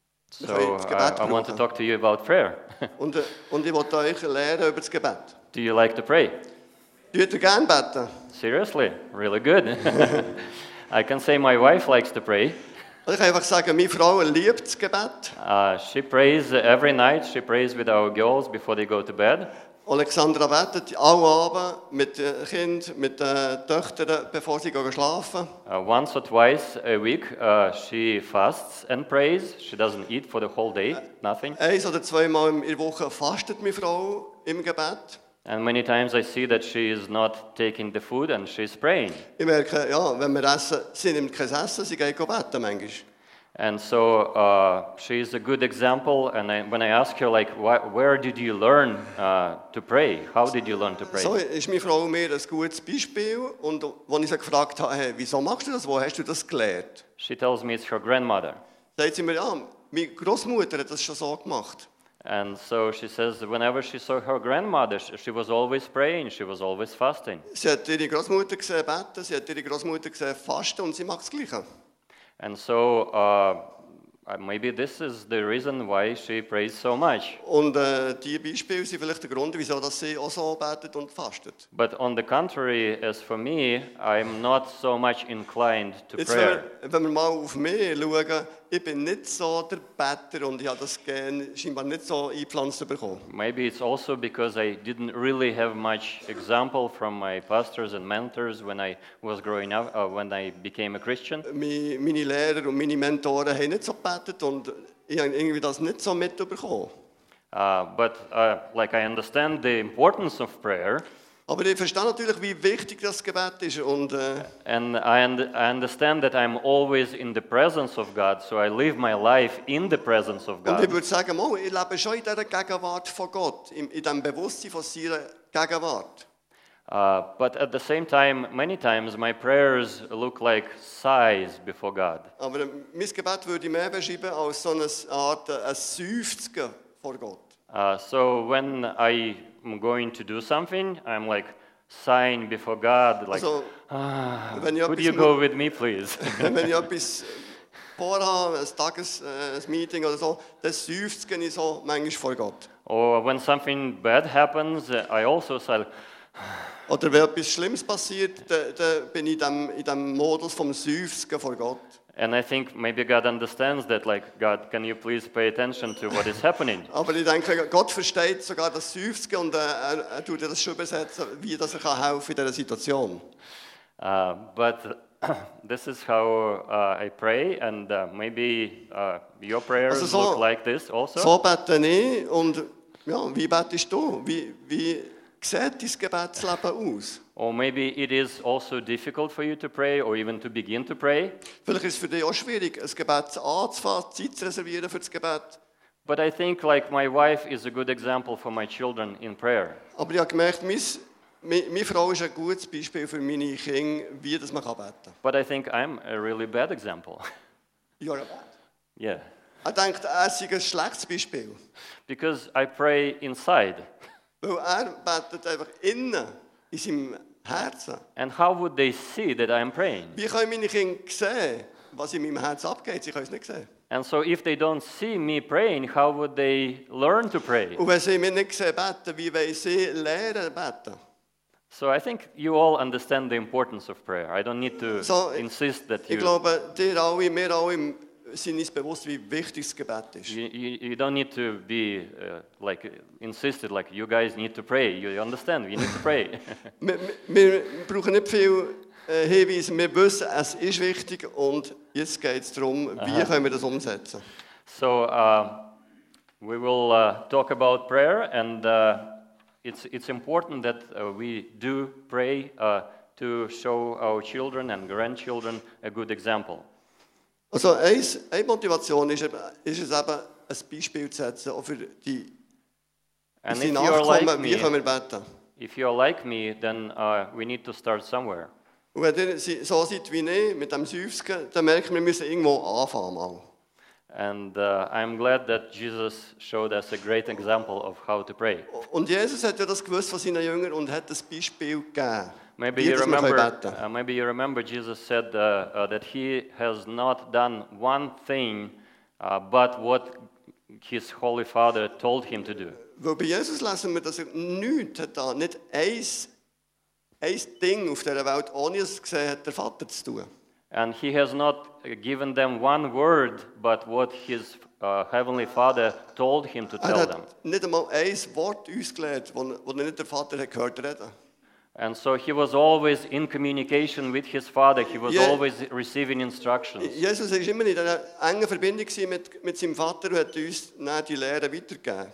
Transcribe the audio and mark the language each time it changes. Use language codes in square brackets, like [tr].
[en] So I want to talk to you about prayer. [de] und ich wollte euch lernen über das Gebet. [en] Do you like to pray? [de] Du würdest gerne beten. [en] Seriously, really good. I can say my wife likes to pray. [de] Ich kann einfach sagen, meine Frau liebt das Gebet. [en] She prays every night. She prays with our girls before they go to bed. [de] Alexandra betet alle Abend mit den Kindern, mit den Töchtern, bevor sie gehen schlafen. [en] Once or twice a week, she fasts and prays. She doesn't eat for the whole day, nothing. [de] Eins oder zweimal in der Woche fastet meine Frau im Gebet. [en] And many times I see that she is not taking the food and she is praying. [de] Ich merke, ja, wenn wir essen, sie nimmt kein Essen, sie geht beten manchmal. [en] And so she is a good example. And when I ask her, like, where did you learn to pray? How did you learn to pray? [de] So ist meine Frau mir ein gutes Beispiel. Und wenn ich sie gefragt habe, hey, wieso machst du das? Wo hast du das gelernt? [en] She tells me it's her grandmother. [de] Sagt sie mir, ja, meine Großmutter hat das schon so gemacht. [en] And so she says, whenever she saw her grandmother, she was always praying, she was always fasting. [de] Sie hat ihre Großmutter gesehen beten, sie hat ihre Großmutter gesehen fasten und sie macht das Gleiche. [en] And so maybe this is the reason why she prays so much. [de] Und die Beispiele sind vielleicht der Grund, wieso dass sie auch so betet und fastet. [en] But on the contrary, as for me, I'm not so much inclined to jetzt prayer. [de] Wenn wir mal auf mich schauen, ich bin nicht so der Better und ich habe das Gen scheinbar nicht so eingepflanzt bekommen. [en] Maybe it's also because I didn't really have much example from my pastors and mentors when I was growing up, when I became a Christian. [de] Meine Lehrer und meine Mentoren haben nicht so gebetet und ich habe irgendwie das nicht so mitbekommen. [en] I understand the importance of prayer. [de] Aber ich verstehe natürlich, wie wichtig das Gebet ist. Und [en] I understand that I'm always in the presence of God, so I live my life in the presence of God. [de] Und ich würde sagen, ich lebe schon in dieser Gegenwart von Gott, in dem Bewusstsein von seiner Gegenwart. [en] But at the same time, many times my prayers look like sighs before God. [de] Aber mein Gebet würde ich mehr beschreiben als so eine Art Seufzen vor Gott. [en] So when I'm going to do something, I'm like sighing before God, like, also, could you go with me, please? [de] Wenn ich etwas vorhabe, ein Tagesmeeting oder so, dann seufze ich so manchmal vor Gott. [en] Or when something bad happens, I also say, [de] Oder wenn etwas Schlimmes passiert, dann bin ich in dem Modus vom Seufzen vor Gott. [en] And I think maybe God understands that, like, God, can you please pay attention to what is happening? [de] Aber ich denke, Gott versteht sogar das Seufzen und er tut das schon übersetzen, wie das er helfen in dieser Situation. [en] But this is how I pray, and maybe your prayers also so, look like this also. [de] So bete ich, und ja, wie betest du? Wie sieht dein Gebetsleben aus? [en] Or maybe it is also difficult for you to pray, or even to begin to pray. [de] Vielleicht ist es für dich auch schwierig, ein Gebet anzufangen, Zeit zu reservieren für das Gebet. [en] But I think, like, my wife is a good example for my children in prayer. [de] Aber ich habe gemerkt, meine Frau ist ein gutes Beispiel für meine Kinder, wie das man kann beten. [en] But I think I'm a really bad example. You're a bad. Yeah. [de] Er denkt, er sei ein schlechtes Beispiel. [en] Because I pray inside. [de] Weil er betet einfach innen. In seinem Herzen. [en] And how would they see that I am praying? [de] Wie können meine Kinder sehen, was in meinem Herzen abgeht? Sie können es nicht sehen. [en] And so if they don't see me praying, how would they learn to pray? [de] Und wenn sie mich nicht sehen beten, wie wollen sie lernen beten? [en] So I think you all understand the importance of prayer. I don't need to so, insist that [de] ich glaube, dir alle, wir alle sind uns bewusst, wie wichtig das Gebet ist. [en] You don't need to be like insisted, like you guys need to pray. You understand? We need to pray. [de] Wir brauchen nicht viel Hinweise. Wir wissen, es ist wichtig, und jetzt geht es darum, wie können wir das umsetzen. [en] So we will talk about prayer, and it's important that we do pray to show our children and grandchildren a good example. [de] Also eine Motivation ist es eben, ein Beispiel zu setzen, auch für die Nachkommen, [en] like me, [de] wie können wir beten. [en] If you're like me, then we need to start somewhere. [de] Und wenn ihr so seid wie ich, mit dem Seufzen, dann merken wir, wir müssen irgendwo anfangen. Mal. [en] And I'm glad that Jesus showed us a great example of how to pray. [de] Und Jesus hat ja das gewusst von seinen Jüngern und hat das Beispiel gegeben. [en] Maybe you remember. Maybe you remember. Jesus said that he has not done one thing, but what his holy Father told him to do. [de] Weil bei Jesus lassen wir, dass er nichts hat da, nicht ein Ding auf der Welt ohne es gesehen hat, der Vater zu tun. [en] And he has not given them one word, but what his heavenly Father told him to tell them. [de] Nicht einmal ein Wort ausgelernt, wo er nicht der Vater hat gehört reden. [en] And so he was always in communication with his Father. He was always receiving instructions. [de] Jesus war immer in einer engen Verbindung mit seinem Vater und hat uns dann die Lehre weitergegeben.